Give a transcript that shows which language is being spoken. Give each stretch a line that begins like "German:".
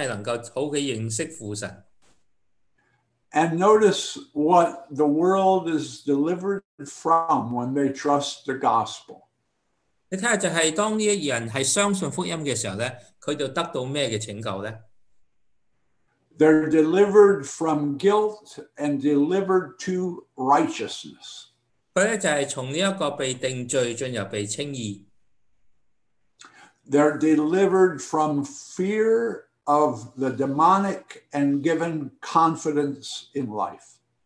Cantonese: 就係透過耶穌基督嚟到係真係能夠好嘅認識父神。
English: And notice what the world is delivered from when they trust the gospel.
Cantonese: 你睇下就係當呢一人係相信福音嘅時候咧，佢就得到咩嘅拯救咧？
English: They're delivered from guilt and delivered to righteousness.
Cantonese: 佢咧就係從呢一個被定罪進入被稱義。
English: They're delivered from fear of the demonic and given confidence in life.